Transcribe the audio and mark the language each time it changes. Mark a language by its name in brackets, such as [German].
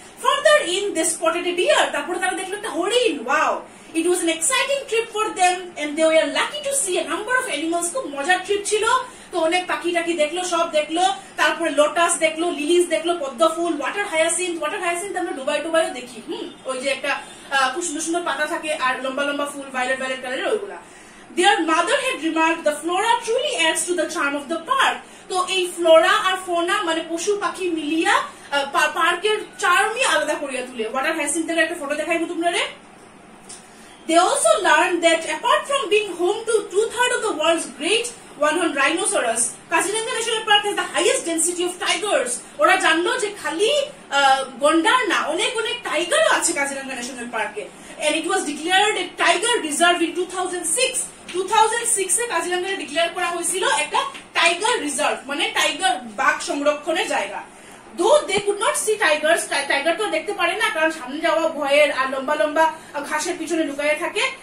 [English] further in they spotted a deer, [Bangla] তারপরে তারা দেখলো একটা হরিণ, [English] wow, it was an exciting trip for them and they were lucky to see a number of animals, [Bangla] খুব মজার trip ছিল। তো অনেক পাখি টাকি দেখলো, সব দেখলো, তারপরে লোটাস দেখলো, লিলিস দেখলো, পদ্ম ফুল, ওয়াটার হায়াসিন্থ, ওয়াটার হায়াসিন্থ আমরা ডুবাই ডুবাইও দেখি, ওই যে একটা খুব সুন্দর সুন্দর পাতা থাকে আর লম্বা লম্বা ফুল ভায়োলেট ভায়োলেট কালারের ওইগুলা। [English] Their mother had remarked the flora truly adds to the charm of the park. [Bangla] তো এই ফ্লোরা আর ফোনা মানে পশু পাখি মিলিয়া পার্কের চার্মই আলাদা করিয়া তুলে। ওয়াটার হ্যাসিন থেকে একটা ফটো দেখাইবো তোমরা রে। [English] They also learned that apart from being home to two-thirds of the world's great one-horn rhinoceros, Kaziranga National Park has the highest density of tigers. [Bangla] ওরা জানলো যে খালি গন্ডার না, অনেক অনেক টাইগারও আছে কাজিরাঙ্গা ন্যাশনাল পার্কে। [English] And it was declared a tiger reserve in 2006. [Bangla] 2006 A Kaziranga declare করা হয়েছিল একটা টাইগার রিজার্ভ, মানে টাইগার বাঘ সংরক্ষণের জায়গা। [English] though they could not see tigers, [Bangla] tiger তো দেখতে পারে না, কারণ সামনে যাওয়া ভয়ের আর লম্বা লম্বা ঘাসের পিছনে লুকায় থাকে।